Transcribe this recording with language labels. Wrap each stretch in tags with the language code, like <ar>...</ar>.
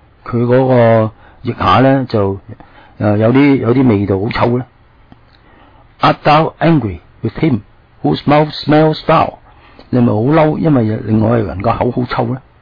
<yue>佢嗰个腋下咧就有啲味道好臭咧。</yue> <en>Art thou angry with him whose mouth smells foul？</en> <yue>你咪好嬲，因为另外一个人个口好臭咧。</yue>